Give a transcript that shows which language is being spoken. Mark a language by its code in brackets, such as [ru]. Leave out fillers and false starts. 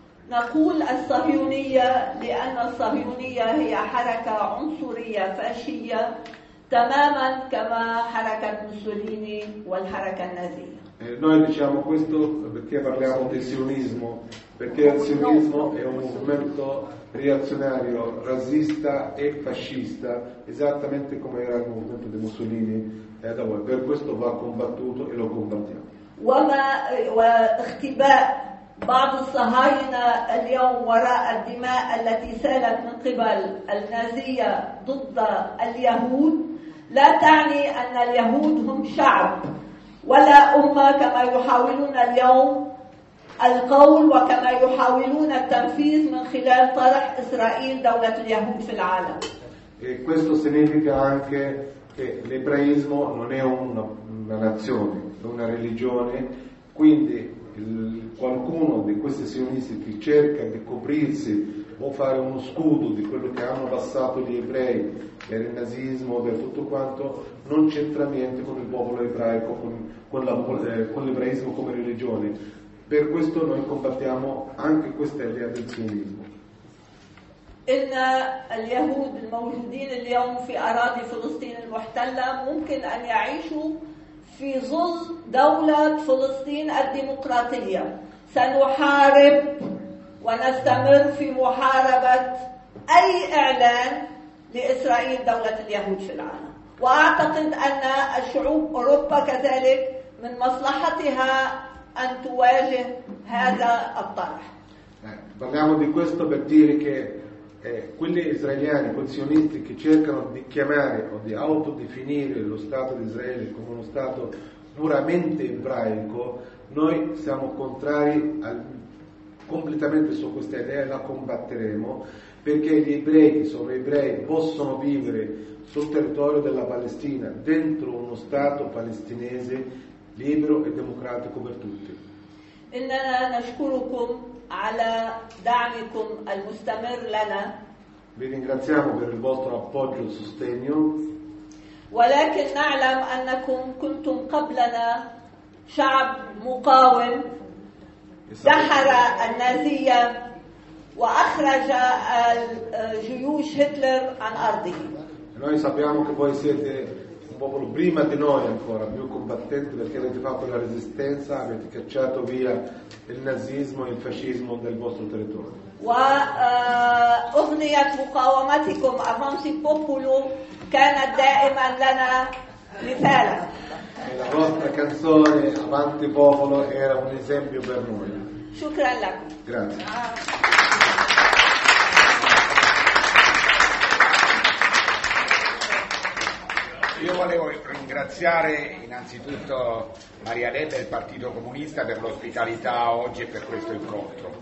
[ar] نقول الصهيونية لأن الصهيونية هي حركة عنصرية فاشية تماما كما حركة موسوليني والحركة النازية. [it] Noi diciamo questo perché parliamo del sionismo, perché il sionismo è un movimento reazionario, razzista e fascista, esattamente come era il movimento di Mussolini, e da voi. Per questo va combattuto e lo combattiamo. [ar] واختباء بعض الصهاينة اليوم وراء الدماء التي سالت من قبل النازية ضد اليهود لا تعني أن اليهود هم شعب ولا أمة كما يحاولون اليوم القول وكما يحاولون التنفيذ من خلال طرح إسرائيل دولة اليهود في العالم. [it] Questo significa anche che l'ebraismo non è una nazione, è una religione, quindi qualcuno di questi sionisti che cerca di coprirsi o fare uno scudo di quello che hanno passato gli ebrei per il nazismo, per tutto quanto, non c'entra niente con il popolo ebraico, con l'ebraismo come religione. Per questo noi combattiamo anche questa idea del sionismo. [ar] إن اليهود الموجودين اليوم في أراضي فلسطين المحتلة ممكن أن يعيشوا في ظل دولة فلسطين الديمقراطية. سنحارب ونستمر في محاربة أي إعلان لإسرائيل دولة اليهود في العالم. وأعتقد أن الشعوب أوروبا كذلك من مصلحتها أن تواجه هذا الطرح. [it] Parliamo di questo per dire che quelli israeliani, quei sionisti che cercano di chiamare o di autodefinire lo Stato di Israele come uno Stato puramente ebraico, noi siamo contrari completamente su questa idea e la combatteremo, perché gli ebrei che sono ebrei possono vivere sul territorio della Palestina, dentro uno Stato palestinese libero e democratico per tutti. [ar] إننا نشكركم على دعمكم المستمر لنا. [it] Vi ringraziamo per il vostro appoggio e sostegno. [ar] ولكن نعلم أنكم كنتم قبلنا شعب مقاوم دحر النازية وأخرج الجيوش هتلر عن أرضه. [it] Noi sappiamo che voi siete un popolo prima di noi ancora più combattente, perché avete fatto la resistenza, avete cacciato via il nazismo e il fascismo dal vostro territorio. [ar] وأغنيت مقاومتكم أفانسي بوبولو كانت دائما لنا مثالا. [it] La vostra canzone Avanti Popolo era un esempio per noi. [ar] شكرا لك. [it] Grazie. Io volevo ringraziare innanzitutto Maria Lepe e il Partito Comunista per l'ospitalità oggi e per questo incontro.